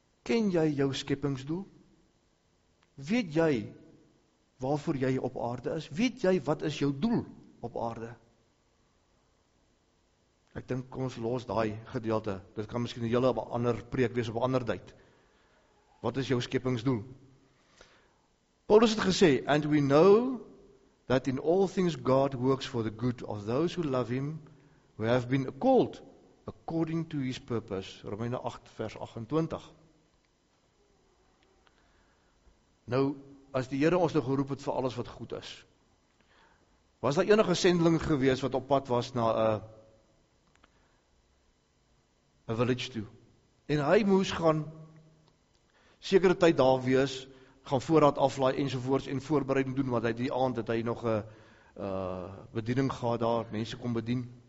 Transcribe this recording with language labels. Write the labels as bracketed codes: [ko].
[af] Ken jy jou skepingsdoel? Weet jy waarvoor jy op aarde is? Weet jy wat is jou doel op aarde? Ek dink kom ons los daai gedeelte. Dit kan miskien 'n hele ander preek wees op 'n ander tyd. Wat is jou skepingsdoel? [en] Paulus het gesê, "And we know that in all things God works for the good of those who love him, who have been called according to his purpose." [af] Romeine 8 vers 28. Nou, as die Here ons nou geroep het vir alles wat goed is, was daar enige sendeling gewees wat op pad was na 'n village toe, en hy moes gaan sekere tyd daar wees, gaan voorraad aflaai ensovoorts en voorbereiding doen, want hy die aand het hy nog 'n bediening gehad daar, mense kom bedien.